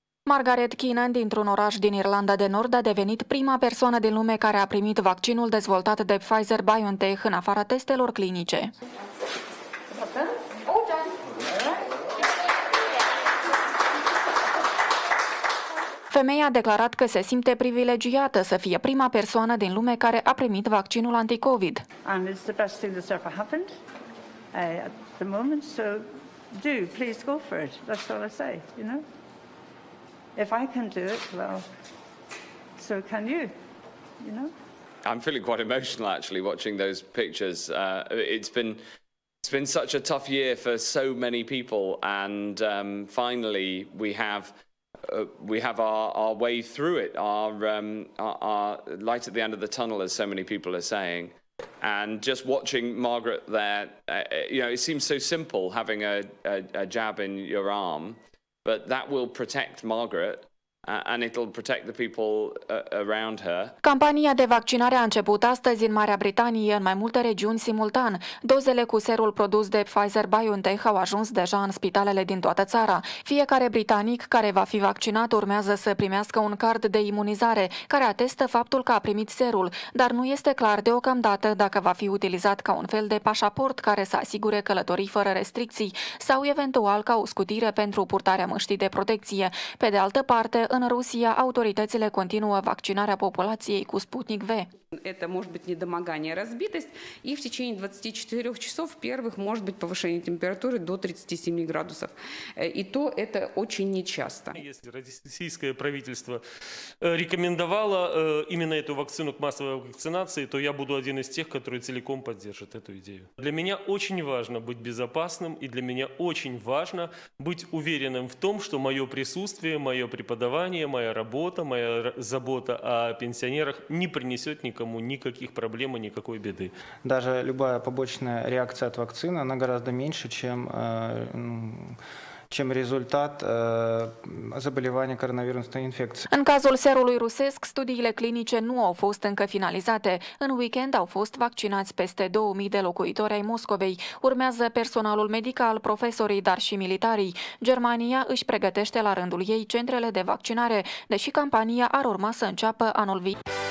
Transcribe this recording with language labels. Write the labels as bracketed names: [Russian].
[Romanian] Margaret Keenan, dintr-un oraș din Irlanda de Nord, a devenit prima persoană din lume care a primit vaccinul dezvoltat de Pfizer-BioNTech în afara testelor clinice. Femeia a declarat că se simte privilegiată să fie prima persoană din lume care a primit vaccinul anticovid. [English] And it's the best thing that's ever happened at the moment, so do, please go for it. That's all I say, you know? If I can do it, well, so can you, you know? I'm feeling quite emotional actually watching those pictures. It's been such a tough year for so many people, and finally we have our way through it, our light at the end of the tunnel, as so many people are saying. And just watching Margaret there, it seems so simple having a jab in your arm, but that will protect Margaret. And it'll protect the people around her. [Romanian] Campania de vaccinare a început astăzi în Marea Britanie, în mai multe regiuni simultan. Dozele cu serul produs de Pfizer-BioNTech au ajuns deja în spitalele din toată țara. Fiecare britanic care va fi vaccinat urmează să primească un card de imunizare, care atestă faptul că a primit serul, dar nu este clar deocamdată dacă va fi utilizat ca un fel de pașaport care să asigure călătorii fără restricții sau eventual ca o scutire pentru purtarea măștii de protecție. Pe de altă parte, în Rusia, autoritățile continuă vaccinarea populației cu Sputnik V. [Russian] Это может быть недомогание, разбитость, и в течение 24 часов первых может быть повышение температуры до 37 градусов. И то это очень нечасто. Если российское правительство рекомендовало именно эту вакцину к массовой вакцинации, то я буду один из тех, которые целиком поддержат эту идею. Для меня очень важно быть безопасным, и для меня очень важно быть уверенным в том, что мое присутствие, мое преподавание, моя работа, моя забота о пенсионерах не принесет никому никаких проблем и никакой беды. Даже любая побочная реакция от вакцины, она гораздо меньше, чем, чем результат заболевания коронавирусной инфекцией. [Romanian] În cazul serului rusesc, studiile clinice nu au fost încă finalizate. În weekend au fost vaccinați peste 2000 de locuitori ai Moscovei. Urmează personalul medical, profesorii, dar și militarii. Germania își pregătește la rândul ei centrele de vaccinare, deși campania ar urma să înceapă anul viitor.